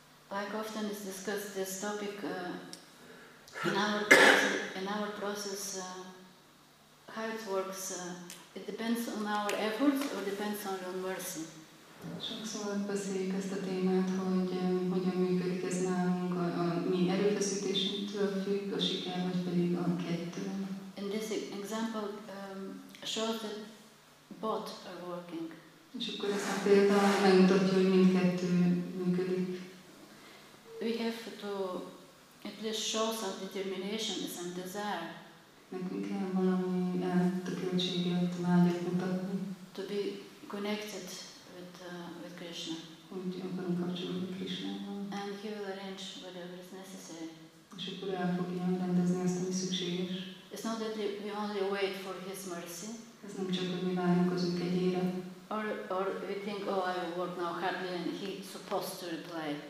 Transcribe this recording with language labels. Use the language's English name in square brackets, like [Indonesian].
[English] Like often is discussed this topic in our process, how it works, it depends on our efforts or depends only on mercy. [Hungarian] Sokszor beszéljük ezt a témát, hogy hogyan működik ez nálunk, a mi erőfeszítésünktől függ, a siker, vagy pedig a kettő. [English] In this example shows that both are working. [Hungarian] És akkor ez a példa megmutatja, hogy mindkettő működik. [English] We have to at least show some determination and some desire. [Hungarian] Nekünk kell valami tökéletességet, vágyat mutatni. [English] To be connected with Krishna. [Hungarian] Úgy akarunk kapcsolódni Krishnával. [English] And he will arrange whatever is necessary. [Hungarian] És akkor el fogja rendezni azt, ami szükséges. [English] It's not that we only wait for his mercy. [Hungarian] Ez nem csak, hogy mi várjunk az ő kegyére. [English] Or we think, oh, I work now hardly and he supposed to reply.